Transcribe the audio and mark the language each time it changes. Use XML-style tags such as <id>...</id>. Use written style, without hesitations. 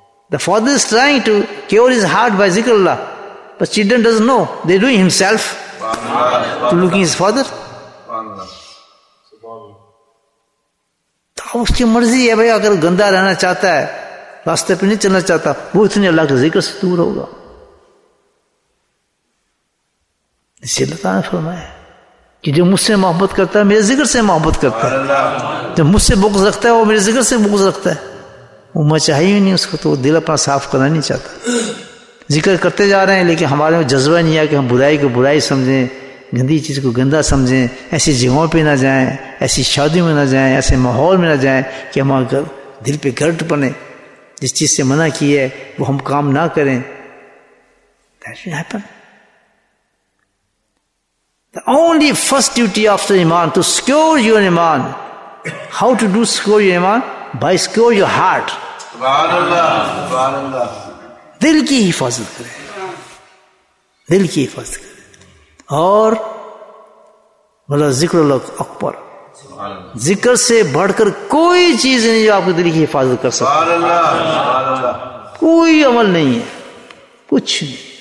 <en>The father is trying to cure his heart by ذکر اللہ, but children doesn't know, they are doing himself to looking his father.</en> <ur>تو اس کی مرضی ہے بھائی, اگر گندا رہنا چاہتا ہے, راستے پہ نہیں چلنا چاہتا, وہ اتنے اللہ کے ذکر سے دور ہوگا. اسی اللہ تعالیٰ نے فرمایا کہ جو مجھ سے محبت کرتا ہے میرے ذکر سے محبت کرتا ہے، جو مجھ سے بغض رکھتا ہے وہ میرے ذکر سے بغض رکھتا ہے، وہ میں چاہیے ہی نہیں اس کو، تو وہ دل اپنا صاف کرنا نہیں چاہتا، ذکر کرتے جا رہے ہیں لیکن ہمارے میں جذبہ نہیں آیا کہ ہم برائی کو برائی سمجھیں، گندی چیز کو گندا سمجھیں، ایسی جگہوں پہ نہ جائیں، ایسی شادیوں میں نہ جائیں، ایسے ماحول میں نہ جائیں کہ ہمارا دل پہ گرٹ بنے، جس چیز سے منع کی ہے وہ ہم کام نہ کریں.</ur> <en>That should happen. The only first duty after ایمان to secure your ایمان. How to do secure your ایمان? By secure your heart.</en> <ur>سبحان اللہ سبحان اللہ. دل کی حفاظت کریں، دل کی حفاظت کریں. اور والا ذکر اللہ اکبر، ذکر سے بڑھ کر کوئی چیز نہیں جو آپ کے دل کی حفاظت کر سکتا، کوئی عمل نہیں ہے، کچھ نہیں.</ur>